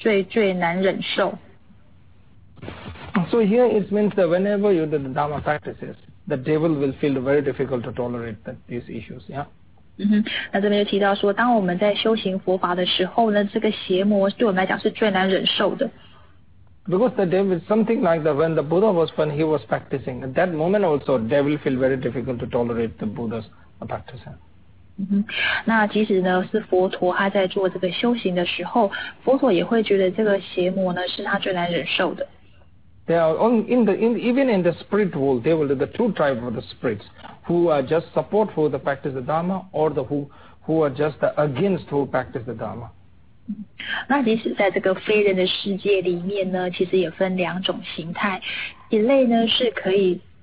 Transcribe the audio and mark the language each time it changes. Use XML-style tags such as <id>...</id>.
<zh>所以这边提到如此修习兼复时邪魔最难忍受</zh> <en>So here it means that whenever you do the Dharma practices, the devil will feel very difficult to tolerate these issues, yeah?</en> <zh>那这边就提到说当我们在修行佛法的时候呢这个邪魔对我们来讲是最难忍受的</zh> <en>Because the devil is something like that when the Buddha was when he was practicing at that moment also the devil feel very difficult to tolerate the Buddha's practice</en> <zh>那即使呢是佛陀他在做这个修行的时候，佛陀也会觉得这个邪魔呢是他最难忍受的。</zh> <en>They are even in the spirit world, they will the two tribes of the spirits who are just support for the practice of Dharma or the who are just against who practice the Dharma.</en> <zh>那即使在这个非人的世界里面呢，其实也分两种形态，一类呢是可以。</zh>